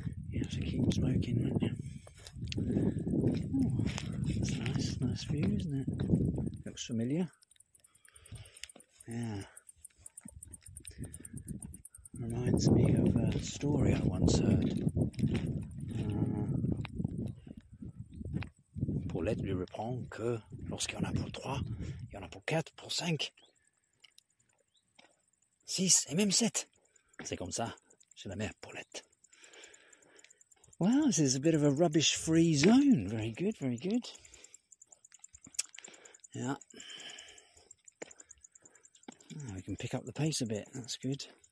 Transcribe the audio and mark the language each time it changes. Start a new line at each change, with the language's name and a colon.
English: You have to keep smoking, don't you? Ooh, that's nice. Nice view, isn't it? Looks familiar. Yeah. Reminds me of a story I once heard.
French: Pour l'aide lui reprend que lorsqu'il y en a pour trois, il y en a pour quatre, pour cinq, six et même sept. C'est comme ça, chez la mère Paulette.
English: Wow, this is a bit of a rubbish-free zone. Very good, very good. Yeah. Oh, we can pick up the pace a bit, that's good.